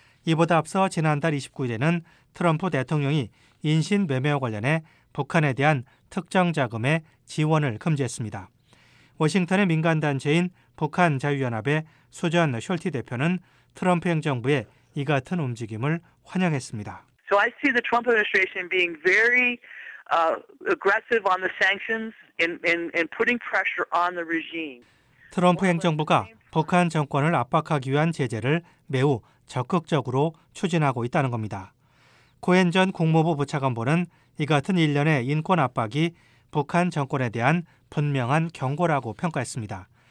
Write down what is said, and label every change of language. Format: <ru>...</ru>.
<ko>이보다 앞서 지난달 29일에는 트럼프 대통령이 인신 매매와 관련해 북한에 대한 특정 자금의 지원을 금지했습니다. 워싱턴의 민간단체인 북한자유연합의 수전 숄티 대표는 트럼프 행정부의 이 같은 움직임을 환영했습니다.</ko> <en>So I see the Trump administration being very aggressive on the sanctions and putting pressure on the regime.</en> <ko>트럼프 행정부가 북한 정권을 압박하기 위한 제재를 매우 적극적으로 추진하고 있다는 겁니다. 코엔 전 국무부 부차관보는 이 같은 일련의 인권 압박이 북한 정권에 대한 분명한 경고라고 평가했습니다.</ko>